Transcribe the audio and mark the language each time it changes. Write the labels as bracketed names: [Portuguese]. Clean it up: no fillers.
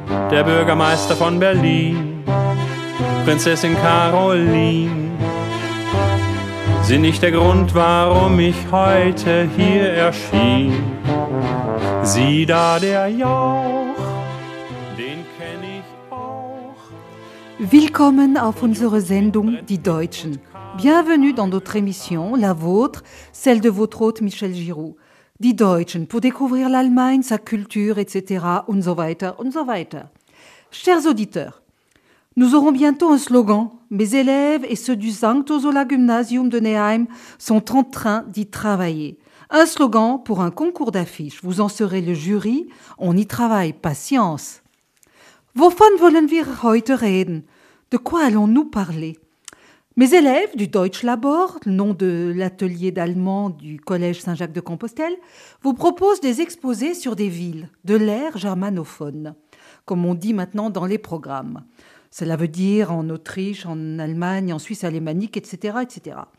[German] Der Bürgermeister von Berlin, Prinzessin Caroline, sind nicht der Grund, warum ich heute hier erschien. Sieh da der Jauch, den kenne ich auch. Willkommen auf unsere Sendung Die Deutschen. [French] Bienvenue dans notre émission, la vôtre, celle de votre hôte Michel Giroux. Die Deutschen, pour découvrir l'Allemagne, sa culture, etc. [German] und so weiter und so weiter. [French] Chers auditeurs, nous aurons bientôt un slogan. Mes élèves et ceux du Sankt Ursula Gymnasium de Neheim sont en train d'y travailler. Un slogan pour un concours d'affiches. Vous en serez le jury. On y travaille. Patience. [German] Wovon wollen wir heute reden? [French] De quoi allons-nous parler? Mes élèves du Deutschlabor, nom de l'atelier d'allemand du Collège Saint-Jacques-de-Compostelle, vous proposent des exposés sur des villes de l'ère germanophone, comme on dit maintenant dans les programmes. Cela veut dire en Autriche, en Allemagne, en Suisse alémanique, etc., etc.